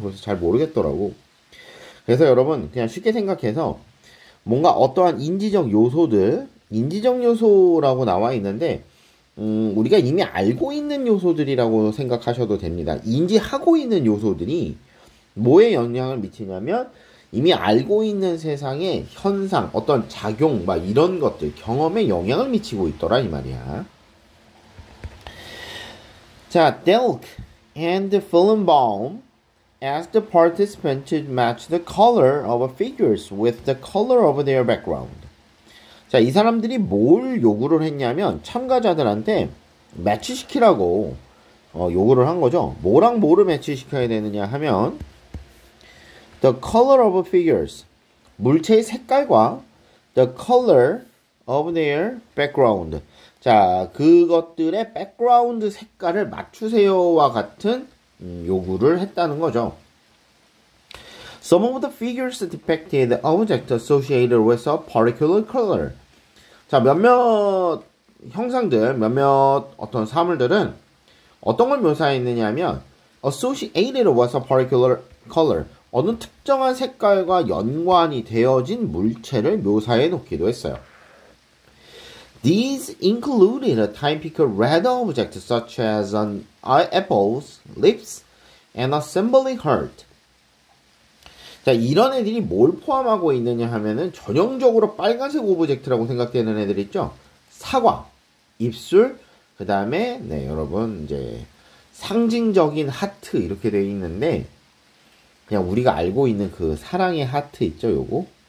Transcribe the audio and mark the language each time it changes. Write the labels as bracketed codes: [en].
[ko] 그래서 잘 모르겠더라고. 그래서 여러분, 그냥 쉽게 생각해서 뭔가 어떠한 인지적 요소들, 인지적 요소라고 나와 있는데, 우리가 이미 알고 있는 요소들이라고 생각하셔도 됩니다. 인지하고 있는 요소들이 뭐에 영향을 미치냐면, 이미 알고 있는 세상의 현상, 어떤 작용, 막 이런 것들, 경험에 영향을 미치고 있더라, 이 말이야. [en] 자, Delk and Fillenbaum asked the participant to match the color of figures with the color of their background. [ko] 자, 이 사람들이 뭘 요구를 했냐면 참가자들한테 매치시키라고 요구를 한 거죠. 뭐랑 뭐를 매치시켜야 되느냐 하면 [en] the color of figures, [ko] 물체의 색깔과 [en] the color of their background. [ko] 자, 그것들의 백그라운드 색깔을 맞추세요와 같은 요구를 했다는 거죠. [en] Some of the figures depicted objects associated with a particular color. [ko] 자, 몇몇 형상들, 몇몇 어떤 사물들은 어떤 걸 묘사했느냐면 [en] associated with a particular color, [ko] 어느 특정한 색깔과 연관이 되어진 물체를 묘사해 놓기도 했어요. [en] These included a typical red object such as an apple's lips and a symbolic heart. [ko] 자, 이런 애들이 뭘 포함하고 있느냐 하면은 전형적으로 빨간색 오브젝트라고 생각되는 애들 있죠? 사과, 입술, 그 다음에, 네, 여러분, 이제, 상징적인 하트, 이렇게 되어 있는데, 그냥 우리가 알고 있는 그 사랑의 하트 있죠, 요거?